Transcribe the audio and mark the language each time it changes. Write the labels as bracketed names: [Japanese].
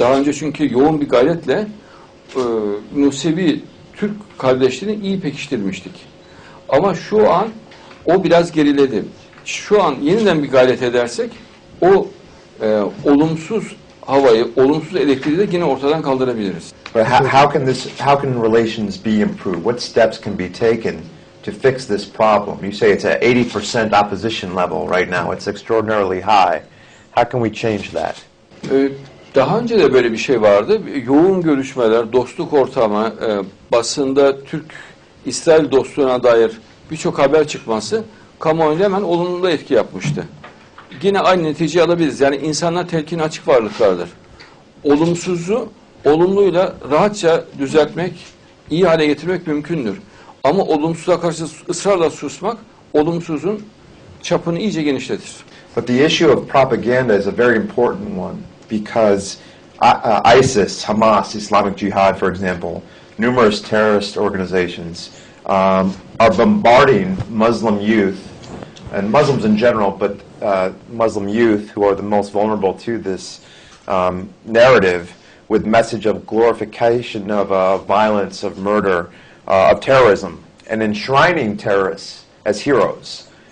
[Turkish] Daha önce çünkü yoğun bir gayretle Musevi Türk kardeşlerini iyi pekiştirmiştik. Ama şu an o biraz geriledi. Şu an yeniden bir gayret edersek o olumsuz havayı, olumsuz elektriği de yine ortadan kaldırabiliriz. [English] But how can relations be improved? What steps can be taken to fix this problem? You say it's at 80% opposition level right now. It's extraordinarily high. How can we change that? [Turkish] Daha önce de böyle bir şey vardı. Yoğun görüşmeler, dostluk ortamı, basında Türk-İsrail dostluğuna dair birçok haber çıkması kamuoyunda hemen olumlu etki yapmıştı. Yine aynı neticeyi alabiliriz. Yani insanlar telkin açık varlıklardır. Olumsuzu olumluyla rahatça düzeltmek, iyi hale getirmek mümkündür. Ama olumsuza karşı ısrarla susmak olumsuzun çapını iyice genişletir. [English] But the issue of propaganda is a very important one because ISIS, Hamas, Islamic Jihad for example, numerous terrorist organizations are bombarding Muslim youth and Muslims in general, but Muslim youth who are the most vulnerable to this narrative with message of glorification of violence, of murder, of terrorism, and enshrining terrorists as heroes,